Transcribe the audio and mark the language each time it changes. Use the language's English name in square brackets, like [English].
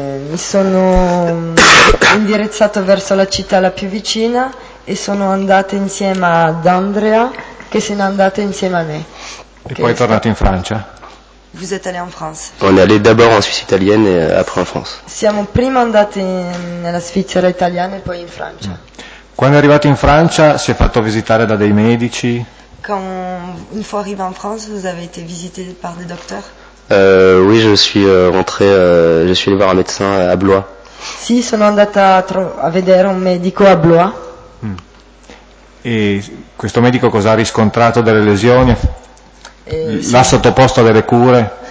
[Italian] Mi sono indirizzato verso la città la più vicina e sono andato insieme ad Andrea, che se n'è andato insieme a me. E poi è tornato in Francia? [French] Vous êtes allé en France. On est allé d'abord en Suisse italienne et après en France. [Italian] Siamo prima andati nella Svizzera italiana e poi in Francia. Quando è arrivato in Francia si è fatto visitare da dei medici. [French] Quand une fois arrivé en France, vous avez été visité par des docteurs? Oui, je suis rentré, je suis allé voir un médecin à Blois. [Italian] Sì, sono andata a vedere un medico a Blois. E questo medico cosa ha riscontrato delle lesioni? L'ha sottoposto a delle cure.